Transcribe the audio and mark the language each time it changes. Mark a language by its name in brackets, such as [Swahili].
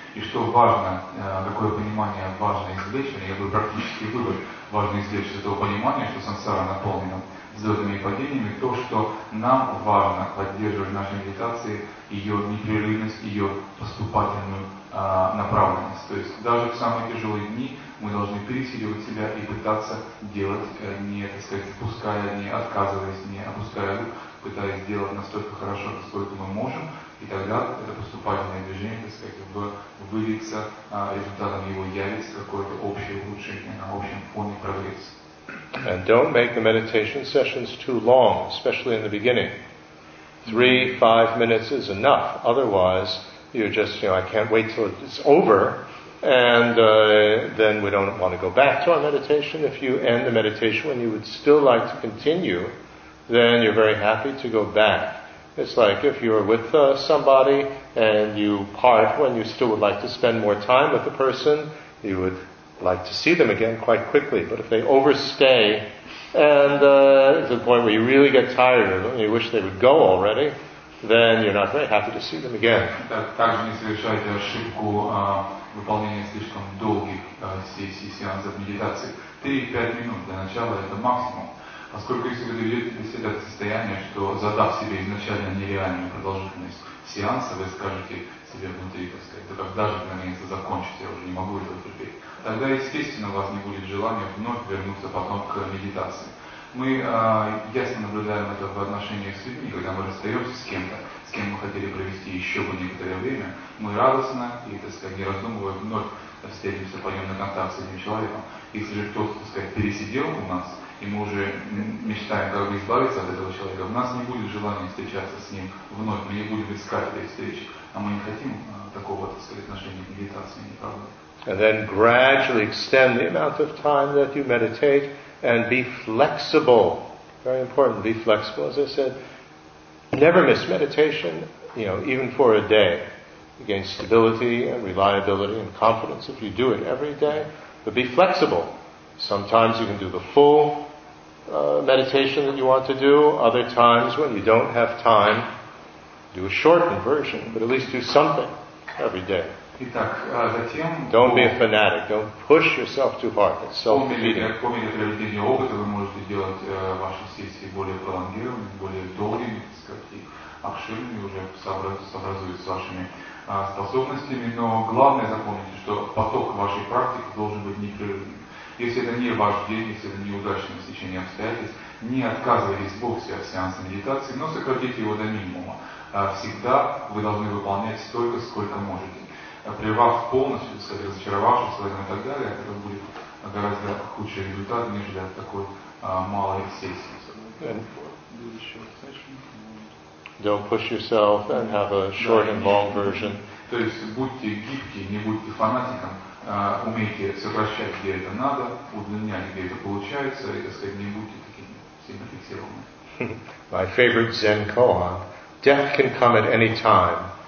[Russian] И что важно, какое понимание важно извлечь, я бы практический вывод важно извлечь из этого понимания, что сансара наполнена взлетами и падениями, то, что нам важно поддерживать в нашей медитации ее непрерывность, ее поступательную направленность. То есть даже в самые тяжелые дни мы должны пересиливать себя и пытаться делать, не, так сказать, опуская, не отказываясь, не опуская рук, пытаясь делать настолько хорошо, насколько мы можем, и тогда это поступательное движение, так сказать, выльется результатом его, явится какое-то общее улучшение на общем фоне прогресса. [English] And don't make the meditation sessions too long, especially in the beginning. 3-5 minutes is enough. Otherwise, you're just, you know, I can't wait till it's over. And then we don't want to go back to our meditation. If you end the meditation when you would still like to continue, then you're very happy to go back. It's like if you're with somebody and you part when you still would like to spend more time with the person, you would like to see them again quite quickly, but if they overstay and to the point where you really get tired of them and you wish they would go already, then you're not very happy to see them again. [Russian] Также не совершайте ошибку выполнения слишком долгих сессий сеансов медитации. 3-5 минут для начала – это максимум. Поскольку если вы доведете для себя это состояние, что задав себе изначально нереальную продолжительность сеанса, вы скажете себе внутри, так сказать, так даже наконец-то закончить, я уже не могу этого терпеть. Тогда, естественно, у вас не будет желания вновь вернуться потом к медитации. Мы ясно наблюдаем это в отношениях с людьми, когда мы расстаемся с кем-то, с кем мы хотели провести еще бы некоторое время, мы радостно и, так сказать, не раздумывая, вновь встретимся, пойдем на контакт с этим человеком. Если же кто-то, так сказать, пересидел у нас, и мы уже мечтаем как бы избавиться от этого человека, у нас не будет желания встречаться с ним вновь, мы не будем искать этой встречи, а мы не хотим такого, так сказать, отношения к медитации, не правда? [English] And then gradually extend the amount of time that you meditate and be flexible. Very important, be flexible. As I said, never miss meditation, you know, even for a day. You gain stability and reliability and confidence if you do it every day. But be flexible. Sometimes you can do the full meditation that you want to do. Other times when you don't have time, do a shortened version, but at least do something every day. [Russian] Итак, затем... [English] Don't be a fanatic. Don't push yourself too hard. It's self-defeating. [Russian] По мере приобретения опыта вы можете делать ваши сессии более пролонгированными, более долгими, так сказать, и обширными, уже сообразуясь с вашими способностями. Но главное запомните, что поток вашей практики должен быть непрерывным. Если это не ваш день, если это неудачное стечение обстоятельств, не отказывайтесь вовсе от сеанса медитации, но сократите его до минимума. Всегда вы должны выполнять столько, сколько можете. Прервав полностью, так сказать, разочаровавшись в этом и так далее, это будет гораздо худший результат, нежели от такой малой сессии. [English] Don't push yourself and have a short and long version. [Russian] То есть будьте гибкие, не будьте фанатиком, умейте сокращать, где это надо, удлинять, где это получается, и, так сказать, не будьте такими сильно фиксированными. [English] My favorite Zen koan: death can come at any time.